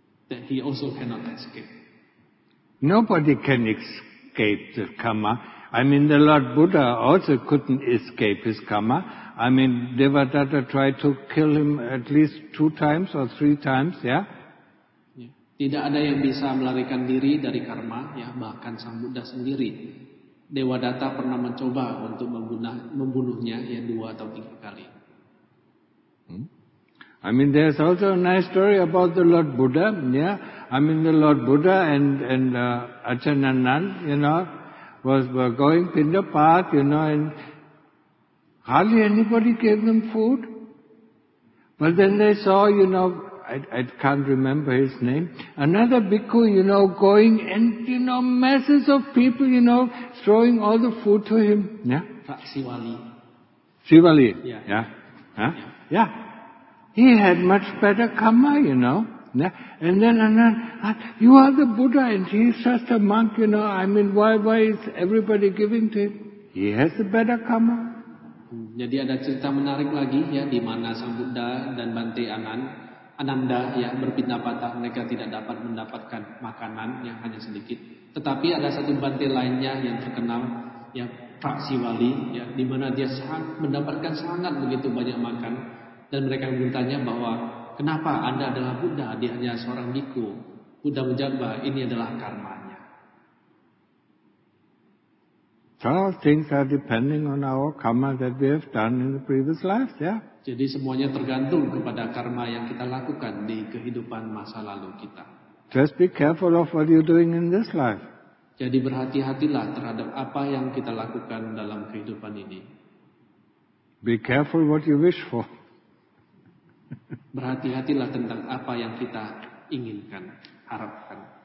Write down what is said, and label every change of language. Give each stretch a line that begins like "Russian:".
English: that he also cannot escape. Nobody can escape the karma. I mean, the Lord Buddha also couldn't escape his karma. I mean, Devadatta tried to kill him at least 2 times or 3 times, yeah?
Indonesian: Tidak ada yang bisa melarikan diri dari karma, ya, bahkan Sang Buddha sendiri. Devadatta pernah mencoba untuk membunuhnya, ya, 2 atau 3 kali.
English: I mean, there's also a nice story about the Lord Buddha, yeah? I mean, the Lord Buddha and Achanananda, you know, were going Pindapath, you know, and hardly anybody gave them food. But then they saw, you know, I can't remember his name, another bhikkhu, you know, going and, you know, masses of people, you know, throwing all the food to him. Yeah? Siwali. Siwali. Yeah. Yeah. Huh? Yeah. Yeah. He had much better karma, you know. And then another, you are the Buddha and he's just a monk, you know. I mean, why is everybody giving to him? He has a better karma.
Indonesian: Jadi ada cerita menarik lagi, ya, di mana Sang Buddha dan Bante Ananda, ya, berpindah-pindah, mereka tidak dapat mendapatkan makanan yang hanya sedikit. Tetapi ada satu Bante lainnya yang terkenal, ya, Pak Siwali, ya, di mana dia mendapatkan sangat begitu banyak makan. Dan mereka bertanya bahwa, kenapa Anda adalah Buddha, dia hanya seorang bhikkhu. Buddha menjawab, ini adalah karmanya.
English: All things are depending on our karma that we have done in the previous life, yeah?
Indonesian: Jadi semuanya tergantung kepada karma yang kita lakukan di kehidupan masa lalu kita.
English: Just be careful of what you're doing in this life.
Indonesian: Jadi berhati-hatilah terhadap apa yang kita lakukan dalam kehidupan ini.
English: Be careful what you wish for.
Indonesian: Berhati-hatilah tentang apa yang kita inginkan, harapkan.